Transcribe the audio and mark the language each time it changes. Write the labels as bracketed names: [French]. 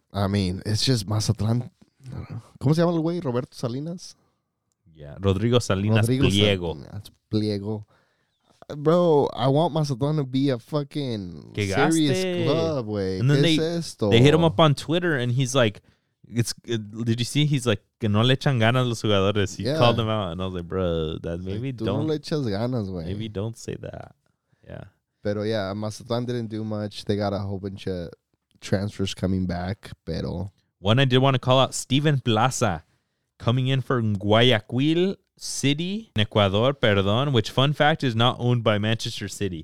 [English] I mean, it's just [Spanish] Mazatlán. ¿Cómo se llama el güey? Roberto Salinas. [English] Yeah, Rodrigo Salinas Pliego. Pliego. Bro, I want Mazatlán to be a fucking serious club, güey. And then they hit him up on Twitter and he's like, did you see? He's like, [Spanish] que no le echan ganas los jugadores. [English] He called him out and I was like, bro, that maybe like, don't. [Spanish] No le echas ganas, güey. [English] Maybe don't say that. Yeah. Pero yeah, Mazatlán didn't do much. They got a whole bunch of transfers coming back, pero. One I did want to call out, Steven Plaza, coming in from Guayaquil City, Ecuador, which fun fact is not owned by Manchester City.